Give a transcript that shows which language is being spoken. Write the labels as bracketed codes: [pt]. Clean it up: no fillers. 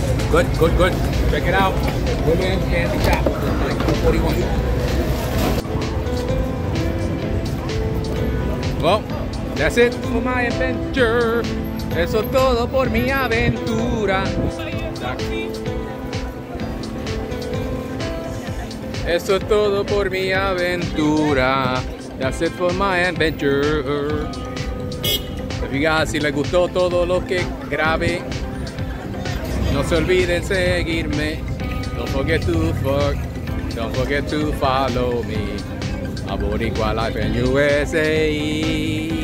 [en] Good, good, good. Check it out. Women's candy shop. What do you want? Well, that's it for my adventure. [es] Eso todo por mi aventura. Eso todo por mi aventura. [en] That's it for my adventure. If you guys, [es] si les gustó todo lo que grabé, no se olviden seguirme. [en] Don't forget to fuck. Don't forget to follow me. A Boricua Life in USA.